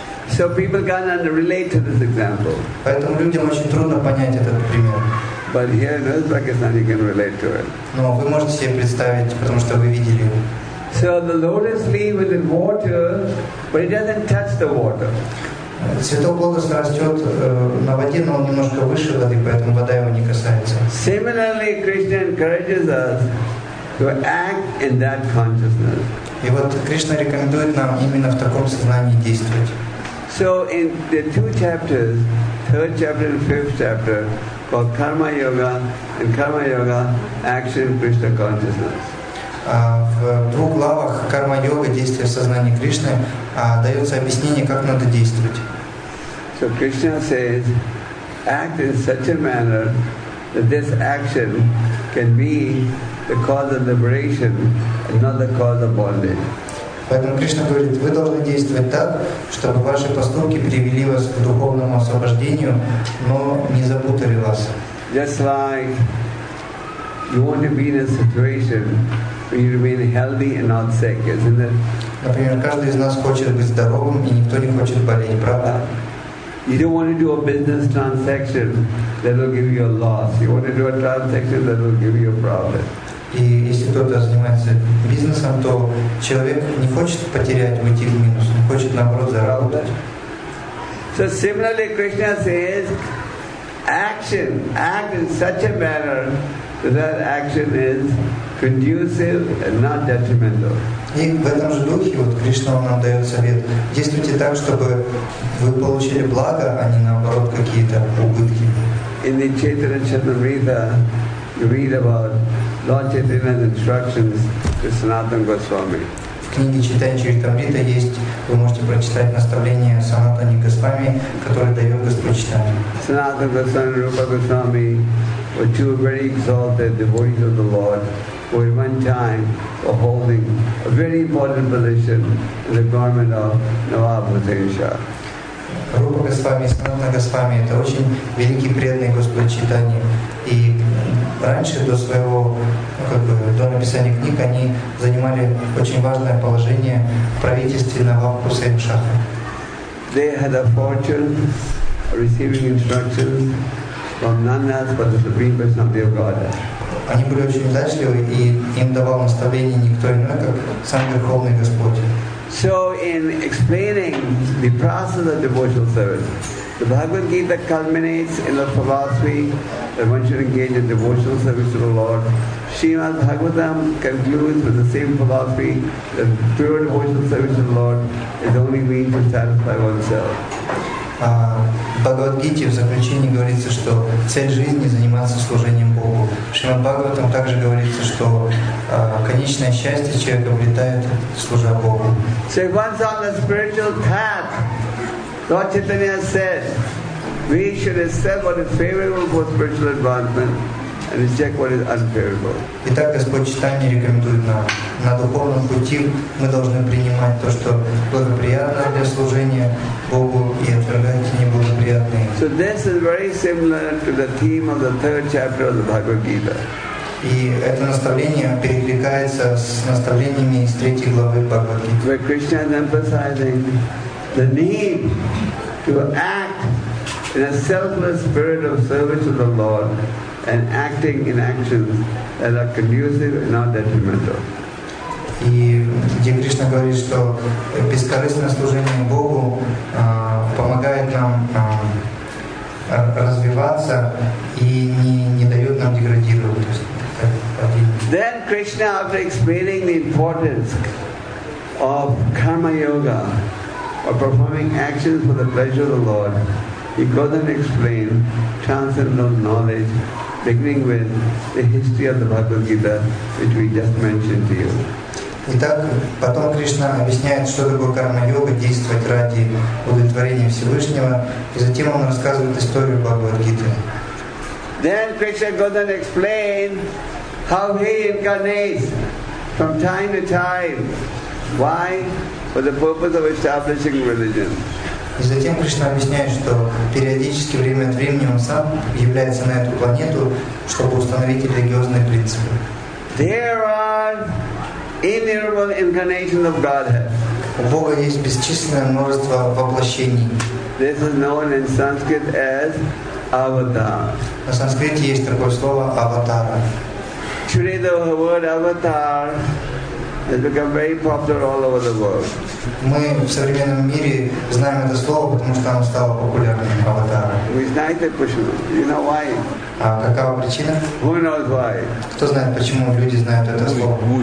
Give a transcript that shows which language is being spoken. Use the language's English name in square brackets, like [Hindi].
[English] So people can't relate to this example. [Russian] Поэтому людям очень трудно понять этот пример. [English] But here in Uzbekistan you can relate to it. [Russian] Но вы можете себе представить, потому что вы видели его. [English] So the lotus leaf is in water, but it doesn't touch the water. [Russian] Цветок лотоса растет на воде, но он немножко выше воды, поэтому вода его не касается. [English] Similarly, Krishna encourages us to act in that consciousness. [Russian] И вот Кришна рекомендует нам именно в таком сознании действовать. [English] So in the two chapters, third chapter and fifth chapter, called Karma Yoga and Karma Yoga Action Krishna Consciousness. [Russian] В двух главах Карма Йога действия в сознании Кришны дается объяснение, как надо действовать. [English] So Krishna says, act in such a manner that this action can be the cause of liberation and not the cause of bondage. [Russian] Поэтому Кришна говорит, вы должны действовать так, чтобы ваши поступки привели вас к духовному освобождению, но не запутали вас. [English] Just like you want to be in a situation where you remain healthy and not sick, isn't it? [Russian] Например, каждый из нас хочет быть здоровым, и никто не хочет болеть, правда? [English] You don't want to do a business transaction that will give you a loss. You want to do a transaction that will give you a profit. [Russian] И если кто-то занимается бизнесом, то человек не хочет потерять, уйти в минус, он хочет, наоборот, заработать. [English] So similarly, Krishna says, action, act in such a manner that action is conducive and not detrimental. [Russian] И в этом же духе вот Кришна нам дает совет, действуйте так, чтобы вы получили благо, а не, наоборот, какие-то убытки. [English] In the Chaitanya Charitamrita, you read about Lord Chaitanya's instructions to Sanatana Goswami. [Russian] В книге Читание Чаритамрита есть, вы можете прочитать наставление Санатани Госвами, которое дает Господь Читание. [English] Sanatana Goswami and Rupa Goswami were two very exalted devotees of the Lord who at one time were holding a very important position in the government of Nawab Hussain Shah. [Russian] Rupa Goswami and Sanatana Goswami – это очень великий преданный Господь Читание. Раньше до своего, до написания книг, они занимали очень важное положение в правительстве Наваб Хусейн Шаха. [English] They had a fortune receiving instructions from none else but the Supreme Personality of Godhead. [Russian] Они были очень удачливы, и им давал наставление никто иной, как сам Верховный Господь. [English] So in explaining the process of devotional service, the Bhagavad Gita culminates in the philosophy that one should engage in devotional service to the Lord. Srimad Bhagavatam concludes with the same philosophy that pure devotional service to the Lord is only means to satisfy oneself. [Russian] Bhagavad Gita в заключении говорится, что цель жизни заниматься служением Богу. Шримад Бхагаватам также говорится, что конечное счастье человек обретает, служа Богу. [English] So once on the spiritual path, Lord Chaitanya said, we should accept what is favorable for spiritual advancement and reject what is unfavorable. [Russian] Итак, Господь Читание рекомендует нам. На духовном пути мы должны принимать то, что благоприятно для служения Богу, и отвергать неблагоприятные. [English] So this is very similar to the theme of the third chapter of the Bhagavad Gita. [Russian] И это наставление перекликается с наставлениями из третьей главы Бхагавад Гиты. [English] Where Krishna is emphasizing the need to act in a selfless spirit of service to the Lord and acting in actions that are conducive and not detrimental. [Russian] И где Кришна говорит, что бескорыстное служение Богу помогает нам развиваться и не дает нам деградировать. [English] Then Krishna, after explaining the importance of Karma Yoga, or performing actions for the pleasure of the Lord, he goes and explains transcendental knowledge, beginning with the history of the Bhagavad Gita, which we just mentioned to you. [Russian] Итак, потом Кришна объясняет, что такое карма-йога, действовать ради удовлетворения Всевышнего, и затем он рассказывает историю Бхагавад Гиты. [English] Then Krishna goes and explains how he incarnates from time to time. Why? For the purpose of establishing religion. [Russian] И затем Кришна объясняет, что периодически, время от времени, он сам является на эту планету, чтобы установить религиозные принципы. [English] There are innumerable incarnations of Godhead. [Russian] У Бога есть бесчисленное множество воплощений. [English] This is known in Sanskrit as Avatar. [Russian] На санскрите есть такое слово аватара. [English] Today the word avatar has become very popular all over the world. [Russian] Мы в современном мире знаем это слово, потому что оно стало популярным, аватара. [English] You know why? [Russian] А какова причина? [English] Who knows why? [Russian] Кто знает, почему люди знают это слово?